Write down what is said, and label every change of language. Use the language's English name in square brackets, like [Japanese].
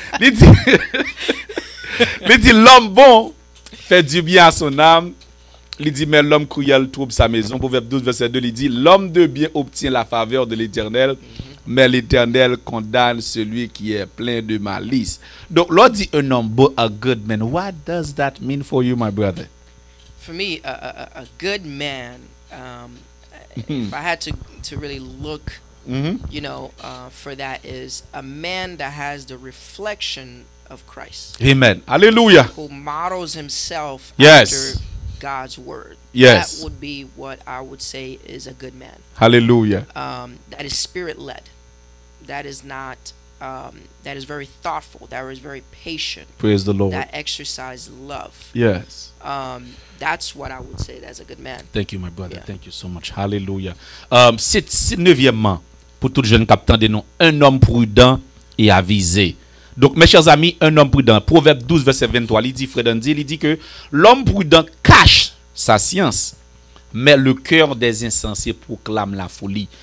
[French] Il dit l'homme bon fait du bien à son âme. Il dit mais l'homme cruel trouble sa maison. Proverbe 12 verset 2, il dit l'homme de bien obtient la faveur de l'Éternel, mais l'Éternel condamne celui qui est plein de malice. Donc l'autre dit un homme bon, [English] a good man. What does that mean for you, my brother? For me, a good man, if I had to really look, you know, for that is a man that has the reflection of Christ. Amen. Hallelujah. Who models himself after God's word. Yes. That would be what I would say is a good man. Hallelujah. That is spirit led. That is not that is very thoughtful. That is very patient. Praise the Lord. That exercise love. Yes. That's what I would say that's a good man. Thank you my brother. Yeah. Thank you so much. Hallelujah. [French] Neuvièmement, pour tout jeune capitaine des noms, un homme prudent et avisé. Donc mes chers amis, un homme prudent, Proverbe 12 verset 23, il dit Fred Andy, il dit que l'homme prudent cache sa science, mais le cœur des insensés proclame la folie.